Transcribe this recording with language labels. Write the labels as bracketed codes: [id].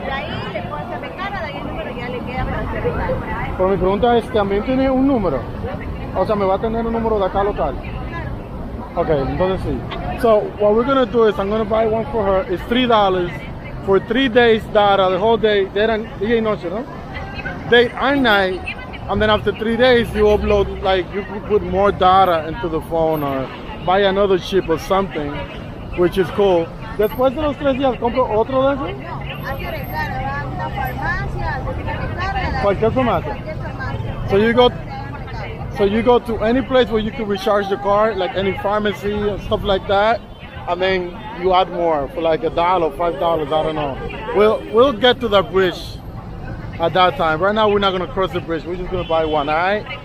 [es] De ahí le puedo hacer de cara, de ahí el número ya le queda para hacer de cara. Pero mi pregunta es, ¿también tiene un número? O sea, ¿me va a tener un número de acá local? Okay, entonces sí. [en] So, what we're gonna do is, I'm gonna buy one for her. It's $3 for 3 days data, the whole day, day and [es] noche, [en] no? Day and night. And then after 3 days, you upload, like, you put more data into the phone or buy another chip or something, which is cool. [es] Después de los 3 días, ¿compro otro de esos? No, hay que arreglar, va a una farmacia, cualquier farmacia. [en] So, you go. So you go to any place where you can recharge the card, like any pharmacy and stuff like that, and then you add more for like $1, $5, I don't know. We'll get to that bridge at that time. Right now we're not gonna cross the bridge, we're just gonna buy one, alright?